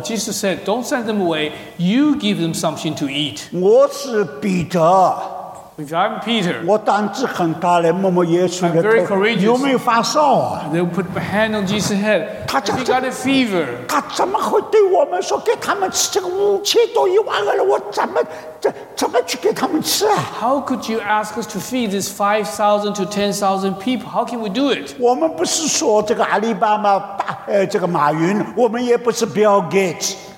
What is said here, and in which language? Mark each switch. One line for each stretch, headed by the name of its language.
English: Jesus said, don't send them away. You give them something to eat.
Chinese: 我是彼得。
English: If I'm Peter,
Chinese: 我胆子很大来摸摸耶稣的头,
English: I'm very courageous.
Chinese: 有没有发烧啊?
English: They'll put a hand on Jesus' head. He got a fever.
Chinese: 他怎么会对我们说给他们吃这个五千多一万个人，我怎么去给他们吃啊?
English: How could you ask us to feed this 5,000 to 10,000 people? How can we do it?
Chinese: 我们不是说这个阿里巴巴，这个马云，我们也不是Bill Gates。